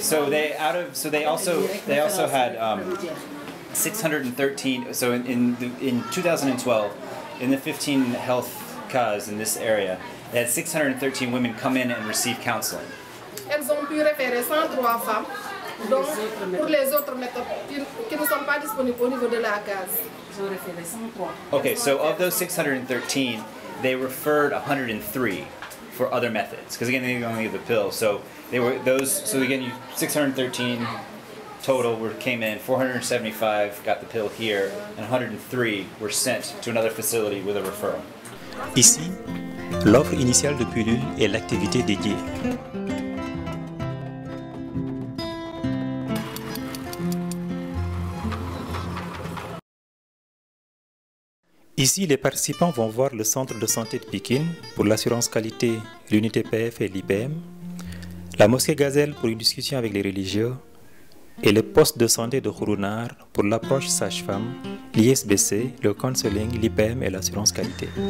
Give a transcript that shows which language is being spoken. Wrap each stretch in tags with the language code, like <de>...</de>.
<en>so they out of so they also had 613. So in 2012, in the 15 health cas in this area, they had 613 women come in and receive counseling.</en> <fr>Elles ont pu référer 103 femmes, donc pour les autres méthodes qui ne sont pas disponibles au niveau de la case.</fr> <en>Okay, so of those 613, they referred 103. For other methods, because again, they only have the pill. So they were those. So again, 613 total came in. 475 got the pill here, and 103 were sent to another facility with a referral.</en> <fr>Ici, l'offre initiale de pilule est l'activité dédiée. Ici, les participants vont voir le centre de santé de Pikine pour l'assurance qualité, l'unité PF et l'IBM, la mosquée Gazelle pour une discussion avec les religieux et le poste de santé de Khourounar pour l'approche sage-femme, l'ISBC, le counseling, l'IBM et l'assurance qualité.</fr>